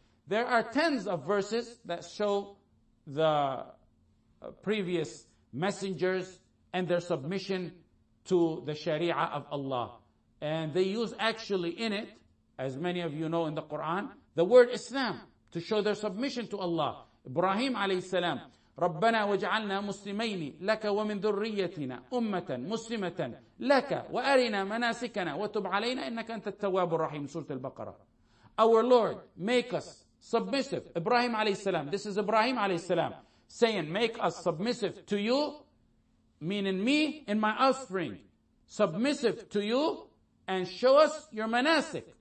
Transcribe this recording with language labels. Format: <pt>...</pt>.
<en>There are tens of verses that show the previous messengers and their submission to the Sharia of Allah. And they use actually in it, as many of you know in the Quran, the word Islam to show their submission to Allah.</en> <ar>Ibrahim alayhi salam, رَبَّنَا وَجْعَلْنَا مُسْلِمَيْنِ لَكَ وَمِنْ ذُرِّيَّتِنَا أُمَّةً مُسْلِمَةً لَكَ وَأَرِنَا مَنَاسِكَنَا وَتُبْ عَلَيْنَا إِنَّكَ أَنْتَ التَّوَّابُ الرَّحِيمُ سُورَةُ الْبَقَرَةُ.</ar> <en>Our Lord, make us submissive. Ibrahim alayhi salam, this is Ibrahim alayhi salam saying, make us submissive to you, meaning me and my offspring, submissive to you, and show us your manasik.</en>